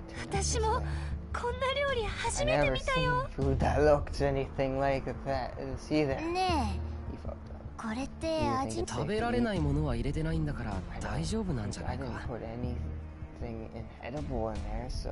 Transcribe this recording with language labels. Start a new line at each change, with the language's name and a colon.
Japanese: 私もこんな料理初めて見たよ。
English: I've never seen food that looks anything like that. See that?
Japanese: ねえ、これって味食べられないものは入れてないんだから大丈夫なんじゃないか。
English: I didn't put anything edible in there, so...